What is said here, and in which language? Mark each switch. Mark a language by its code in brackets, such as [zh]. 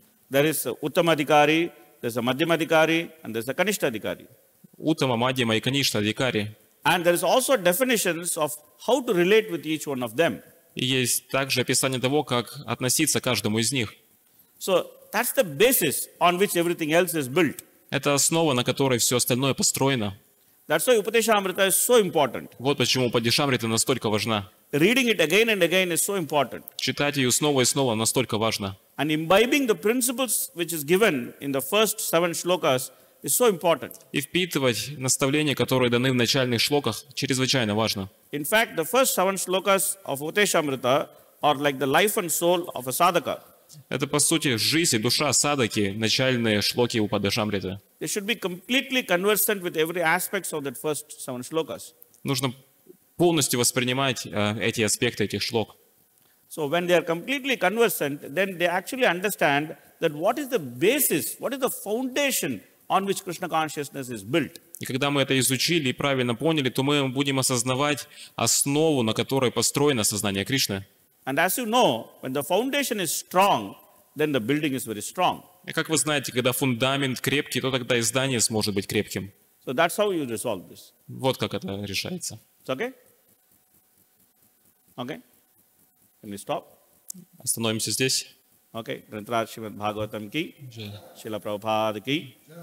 [en] There is Uttamadhikari, there's a Madhyamadhikari, and there's a Kanishtadhikari. [ru] Uttama, Madhyama и Kanishtadhikari. [en] And there is also definitions of how to relate with each one of them. [ru] И есть также описание того, как относиться к каждому из них. [en] So that's the basis on which everything else is built. [ru] Это основа, на которой все остальное построено. [en] That's why Upadeshamrita is so important. [ru] Вот почему Упадешамрита настолько важна. [en] Reading it again and again is so important. [ru] Читать ее снова и снова настолько важно. [en] And imbibing the principles which is given in the first seven shlokas is so important. [ru] И впитывать наставления, которые даны в начальных шлоках, чрезвычайно важно. [en] In fact, the first seven shlokas of Upadeshamrita are like the life and soul of a sadhaka. [ru] Это по сути жизнь и душа садаки, начальные шлоки Упадешамрита. [en] They should be completely conversant with every aspect of that first seven shlokas. [ru] Нужно полностью воспринимать эти аспекты этих шлок. [en] So when they are completely conversant, then they actually understand that what is the basis, what is the foundation on which Krishna consciousness is built. [ru] И когда мы это изучили и правильно поняли, то мы будем осознавать основу, на которой построено сознание Кришны. [en] And as you know, when the foundation is strong, then the building is very strong. [ru] И как вы знаете, когда фундамент крепкий, то тогда и здание сможет быть крепким. [en] So that's how you resolve this. [ru] Вот как это решается. [en] It's okay? Okay? Can we stop? [ru] Остановимся здесь. [en] Okay. [hi] Грантрат Шримад Бхагаватам ки. Шрила Прабхупад ки.